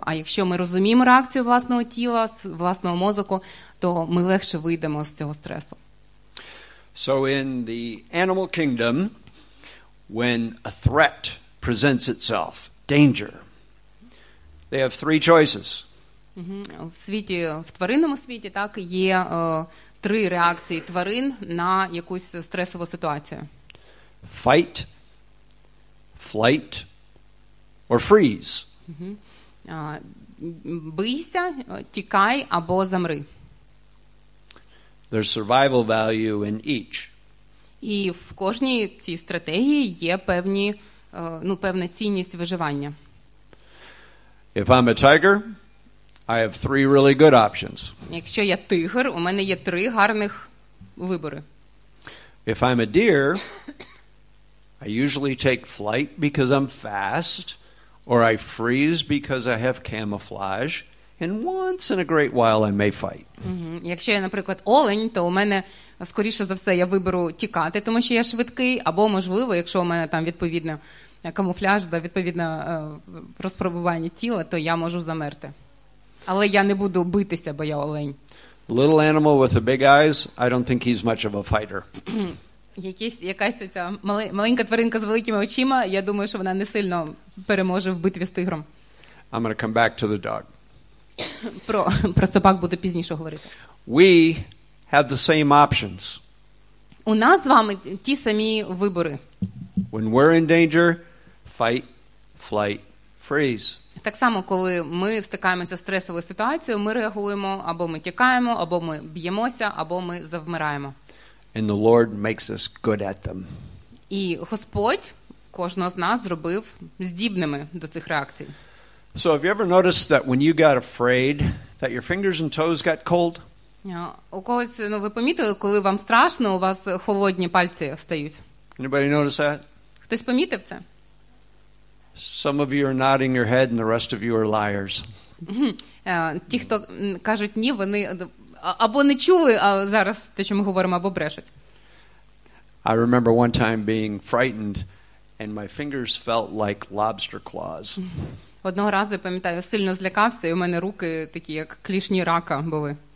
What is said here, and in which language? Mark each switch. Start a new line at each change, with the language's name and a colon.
Ukrainian: А якщо ми розуміємо реакцію власного тіла, власного мозку, то ми легше вийдемо з цього стресу.
English: So in the animal kingdom, when a threat presents itself, danger, they have three choices.
Ukrainian: В світі, в тваринному світі, так, є три реакції тварин на якусь стресову ситуацію.
English: Fight, flight, or freeze.
Ukrainian: Бийся, тікай або замри.
English: There's survival value in each.
Ukrainian: І в кожній цій стратегії є певні, ну, певна цінність виживання.
English: If I'm a tiger, I have three really good options.
Ukrainian: Якщо я тигр, у мене є три гарних вибори.
English: If I'm a deer, I usually take flight because I'm fast, or I freeze because I have camouflage. And once in a great while I may fight.
Ukrainian: Якщо я, наприклад, олень, то у мене скоріше за все я виберу тікати, тому що я швидкий, або можливо, якщо у мене там відповідно камуфляж, да, відповідно розпробування тіла, то я можу замерти. Але я не буду битися, бо я олень.
English: Little animal with the big eyes, I don't think he's much of a fighter.
Ukrainian: Якась ця маленька тваринка з великими очима, я думаю, що вона не сильно переможе в битві з тигром.
English: I'm going to come back to the dog.
Ukrainian: Про собак буду пізніше говорити.
English: We have the same options.
Ukrainian: У нас з вами ті самі вибори.
English: When we're in danger, fight, flight, freeze.
Ukrainian: Так само, коли ми стикаємося з стресовою ситуацією, ми реагуємо, або ми тікаємо, або ми б'ємося, або ми завмираємо.
English: And the Lord makes us good at them.
Ukrainian: І Господь кожного з нас зробив здібними до цих реакцій.
English: So have you ever noticed that when you got afraid that your fingers and toes got cold?
Ukrainian: У когось, ну, ви помітили, коли вам страшно, у вас холодні пальці стають?
English: Anybody notice that?
Ukrainian: Хтось помітив це?
English: Some of you are nodding your head and the rest of you are liars.
Ukrainian: Ті, хто кажуть ні, вони або не чули, а зараз те, що ми говоримо, або брешуть.
English: I remember one time being frightened and my fingers felt like lobster claws.
Ukrainian: Одного разу, я пам'ятаю, сильно злякався, і у мене руки такі, як клішні рака були.